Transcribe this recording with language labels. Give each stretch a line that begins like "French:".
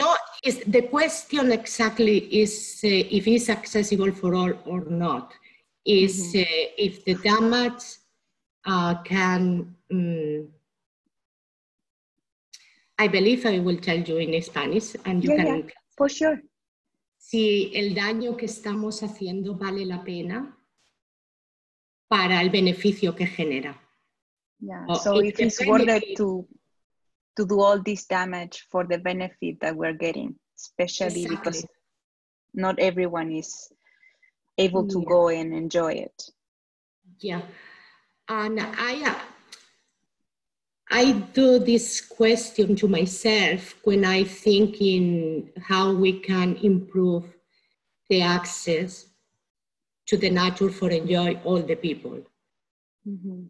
English: No, is the question exactly is if it's accessible for all or not. Is mm-hmm. If the damage can, I believe I will tell you in Spanish and you can. Yeah, for sure.
Spanish: Si el daño que estamos haciendo vale la pena para el beneficio que genera.
English: Yeah, so if it's worth it to do all this damage for the benefit that we're getting, especially exactly. Because not everyone is able to go and enjoy it. Yeah, and I do this question to myself when I think in how we can improve the access to the nature for enjoy all the people. Mm-hmm.